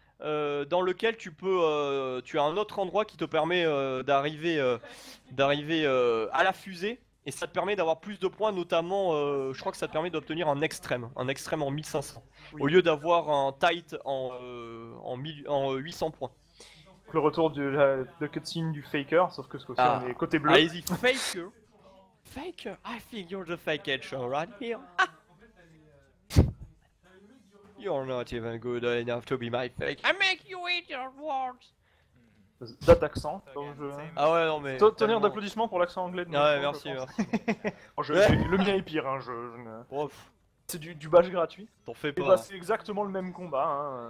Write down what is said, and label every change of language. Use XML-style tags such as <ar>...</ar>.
<fr>dans lequel tu peux, tu as un autre endroit qui te permet d'arriver à la fusée et ça te permet d'avoir plus de points, notamment, je crois que ça te permet d'obtenir un extrême en 1500, oui. Au lieu d'avoir un tight en 800 points. Le retour de cutscene du faker, sauf que ce coup-ci on est côté bleu. Allez-y, faker.</fr> <en>Faker, I think you're the fake edge right here. You're not even good enough to be my fake. I make you eat your words. That accent.</en> <fr>Je... Ah ouais, non mais. Tenir tellement... d'applaudissements pour l'accent anglais. Ah ouais, merci. le mien est pire, hein. C'est du bash gratuit. T'en fais pas. Et bah, c'est exactement le même combat, hein.</fr>